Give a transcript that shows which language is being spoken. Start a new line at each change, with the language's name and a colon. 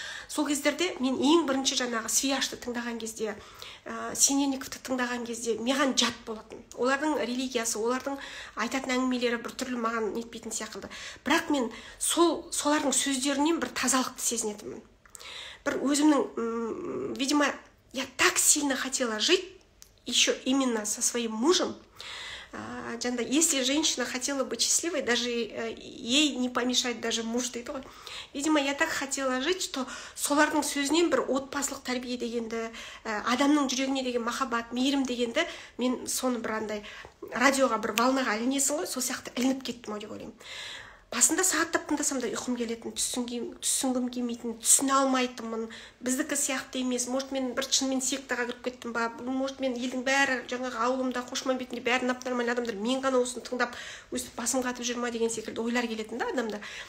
Kazakh: Сол кездерде мен ең бірінші жаңағы Свияшты тыңдаған кезде, Синельниковты тыңдаған кезде маған жат болатын. Олардың религиясы, олардың айтатын әңгімелері бір түрлі маған нетпейтін сияқты. Бірақ мен солардың сөздерінен бір тазалықты сезінетінмін. Бір өзімнің,
Russian: видимо, я так сильно хотела жить еще именно со своим мужем. Жанда, если женщина хотела быть счастливой, даже ей не помешает даже муж
Kazakh: дейді ғой.
Russian: Видимо, я так хотела жить, что
Kazakh: солардың сөзінен бір отбасылық тәрбие дегенді, адамның жүрегіне деген махаббат, мейірім дегенді мен соны бір андай радиоға бір волнаға ілінесің ғой, сол сияқты ілініп кеттім ау деп ойлаймын. Басында сағаттап тыңдасам да ұйқым келетін, түсінгім келмейтін, түсіне алмайтынмын, біздікі сияқты емес, может мен бір шынымен сектаға кіріп кеттім ба, может мен елдің бәрі жаңағы ауылымда Қошмамбетінде бәрі нормальный адамдар, мен ғана осыны тыңдап өстіп басым қатып жүр ма деген секілді ойлар келетін да адамда.